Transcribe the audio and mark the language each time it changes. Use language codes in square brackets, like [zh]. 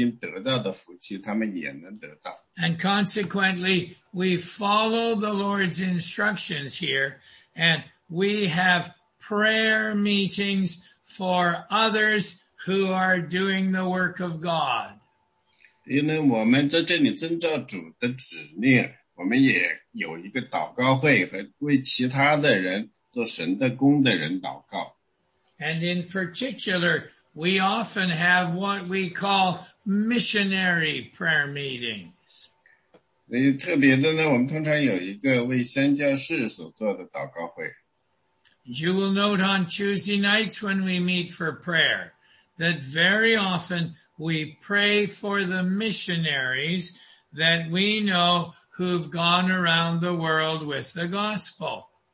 [zh] 因为我们传讲福音呢，就是说其他的人也可以得到我们今天从我们内心得到的福气，他们也能得到。 [en] And consequently, we follow the Lord's instructions here, and we have prayer meetings for others who are doing the work of God. [zh] 因为我们在这里遵照主的指令。我们也有一个祷告会，和为其他的人做神的工的人祷告。 [en] And in particular, we often have what we call missionary prayer meetings. [zh] 特别的呢，我们通常有一个为宣教士所做的祷告会。 [en] You will note on Tuesday nights when we meet for prayer that very often we pray for the missionaries that we know who've gone around the world with the gospel.